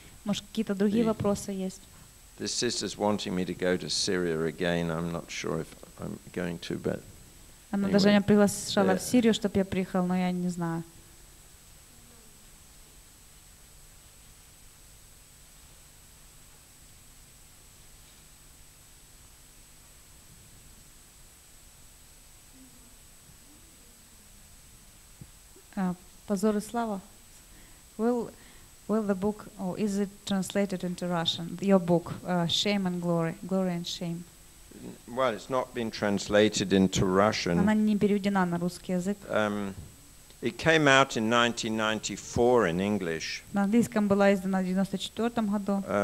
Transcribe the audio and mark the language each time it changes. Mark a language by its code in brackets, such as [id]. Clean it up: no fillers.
[ru] Может, какие-то другие вопросы есть? [en] This sister's wanting me to go to Syria again. I'm not sure if I'm going to, but [ru] она даже меня приглашала в Сирию, чтобы я приехал, но я не знаю. Позор и слава. [en] Will the book, or is it translated into Russian? Your book, Shame and Glory, Glory and Shame. Well, it's not been translated into Russian. [ru] Она не переведена на русский язык. [en] It came out in 1994 in English. [ru] На английском была издана в 94 году.